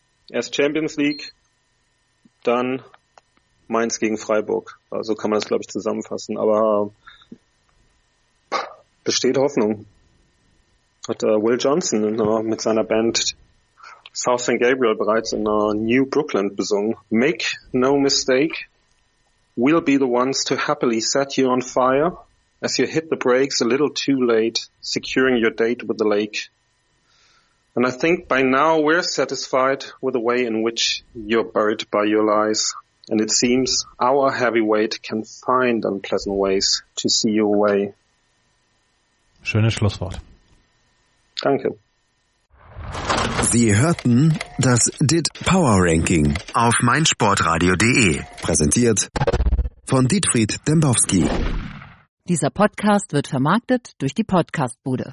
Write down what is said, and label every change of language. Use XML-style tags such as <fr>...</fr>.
<de>Erst Champions League, dann Mainz gegen Freiburg. Also kann man das, glaube ich, zusammenfassen. Aber besteht Hoffnung. Hat Will Johnson mit seiner Band South St. Gabriel bereits in New Brooklyn besungen.</de> <en>Make no mistake, we'll be the ones to happily set you on fire as you hit the brakes a little too late, securing your date with the lake. And I think by now we're satisfied with the way in which you're buried by your lies. And it seems our heavyweight can find unpleasant ways to see your way.</en> <de>Schönes Schlusswort. Danke. Sie hörten das DIT Power Ranking auf meinsportradio.de. Präsentiert von Dietfried Dembowski. Dieser Podcast wird vermarktet durch die Podcastbude.</de>